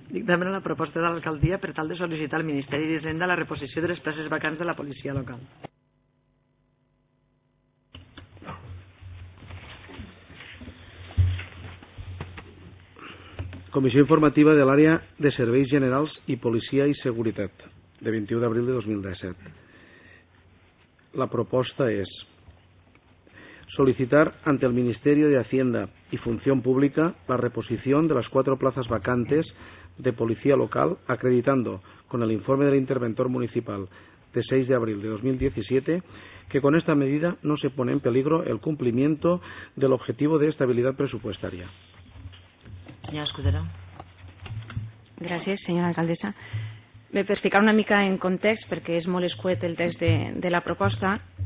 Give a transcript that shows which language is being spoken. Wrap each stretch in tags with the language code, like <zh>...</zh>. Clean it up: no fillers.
<ca>Dictamen a la proposta de l'alcaldia per tal de sol·licitar al Ministeri d'Hisenda la reposició de les places vacants de la policia local. Comissió informativa de l'Àrea de Serveis Generals i Policia i Seguretat, de 21 d'abril de 2017.</ca> <es>La proposta és solicitar ante el Ministerio de Hacienda y Función Pública la reposición de las cuatro plazas vacantes de policía local, acreditando con el informe del interventor municipal de 6 de abril de 2017, que con esta medida no se pone en peligro el cumplimiento del objetivo de estabilidad presupuestaria. Señora Escudero. Gracias, señora alcaldesa. Me explicaré</es> <ca>una mica en context, perquè és molt escuet el text de la proposta.</ca>